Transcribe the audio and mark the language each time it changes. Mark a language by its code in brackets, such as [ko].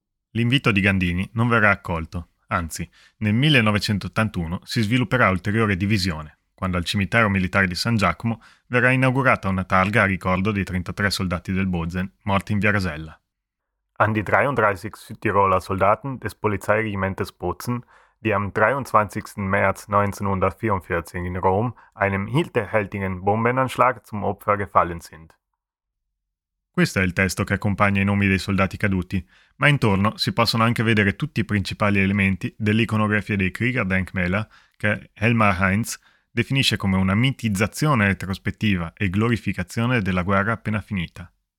[it] L'invito di Gandini non verrà accolto, anzi, nel 1981 si svilupperà ulteriore divisione, quando al cimitero militare di San Giacomo verrà inaugurata una targa a ricordo dei 33 soldati del Bozen morti in via Rasella. [de] An die 33 Südtiroler Soldaten des Polizeiregimentes Bozen, die am 23. März 1944 in Rom einem hinterhältigen Bombenanschlag zum Opfer gefallen sind. [it] Questo è il testo che accompagna i nomi dei soldati caduti, ma intorno si possono anche vedere tutti i principali elementi dell'iconografia dei Kriegerdenkmäler che Helmar Heinz definisce come una mitizzazione retrospettiva e glorificazione della guerra appena finita.